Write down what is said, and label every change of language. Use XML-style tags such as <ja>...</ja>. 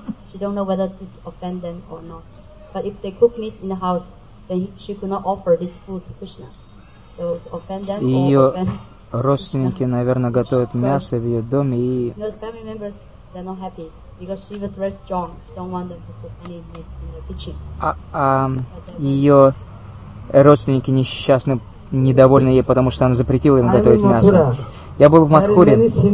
<en>she don't know whether this offend them or not. But if they cook meat in the house, then she could not offer this food to Krishna. So offend them</en> <ru>её</ru> <en>or offend...</en> <ru>Ее родственники, наверное, готовят мясо в ее доме и...</ru> <en>No, the family members, they're not happy. Because she was very strong. She don't want them to cook any meat in the kitchen.</en> <ru>Ее родственники несчастны, недовольны ей, потому что она запретила им готовить мясо. Я был в Матхуре.</ru>